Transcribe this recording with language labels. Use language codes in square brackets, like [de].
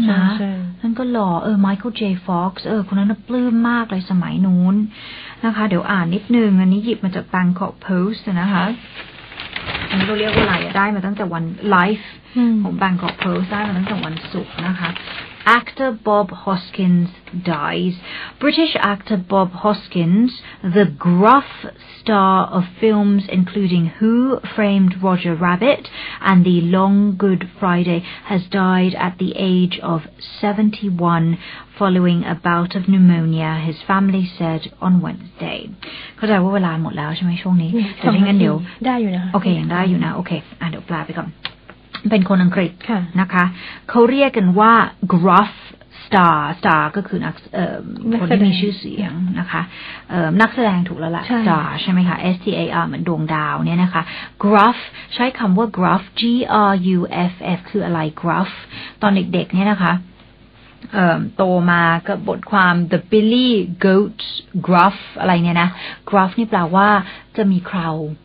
[th] ไหมนั่นก็หล่อMichael J. Fox คนนั้นปลื้มมากเลยสมัยนู้นนะคะเดี๋ยวอ่านนิดนึงอันนี้หยิบมาจาก Bangkok Post นะคะอันนี้เราเรียกว่าอะไรได้มาตั้งแต่วันไลฟ์ ของ Bangkok Post ได้มาตั้งแต่วันศุกร์นะคะ [en] Actor Bob Hoskins dies. British actor Bob Hoskins, the gruff star of films including Who Framed Roger Rabbit and The Long Good Friday, has died at the age of 71 following a bout of pneumonia, his family said on Wednesday. [th] เข้าใจว่าเวลาหมดแล้วใช่ไหมช่วงนี้จะทิ้งกันเดี๋ยว ได้อยู่นะ โอเคยังได้อยู่นะโอเคเดี๋ยวแปลไปก่อนเป็นคนอังกฤษนะคะเขาเรียกกันว่า [en] gruff star [th] ก็คือนักคนที่มีชื่อเสียงนะคะนักแสดงถูกแล้วล่ะ star ใช่ไหมคะ star เหมือนดวงดาวเนี่ยนะคะ gruff ใช้คำว่า gruff g r u f f คืออะไร gruff ตอนเด็กๆเนี่ยนะคะโตมากับบทความ [en] the billy goats gruff [th] อะไรเนี่ยนะ gruff นี่แปลว่าจะมีคราว